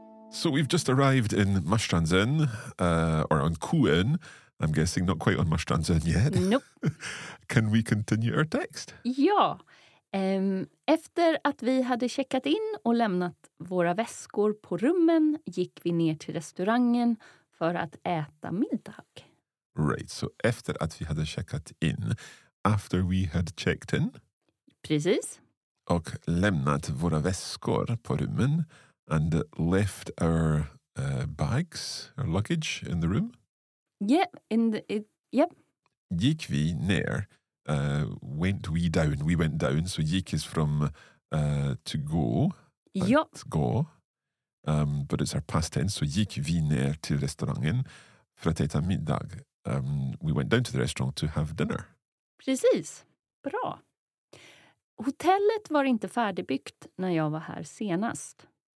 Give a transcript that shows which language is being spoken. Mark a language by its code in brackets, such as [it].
[en] So we've just arrived in Marstrandsen, or on Koön, I'm guessing, not quite on Marstrandsen yet. Nope. Can we continue our text? [sv] Ja, efter att vi hade checkat in och lämnat våra väskor på rummen gick vi ner till restaurangen för att äta middag. [en] Right, so [sv] efter att vi hade checkat in, [en] after we had checked in. [sv] Precis. Och lämnat våra väskor på rummen. [en] And left our bags, our luggage, in the room? Yeah, in the... Yep. [sv] Gick vi ner, [en] went we down, we went down. So gick is from to go. Yep. Go. But it's our past tense. [sv] So gick vi ner till restaurangen för att äta middag. [en] We went down to the restaurant to have dinner. [sv] Precis. Bra. Hotellet var inte färdigbyggt när jag var här senast.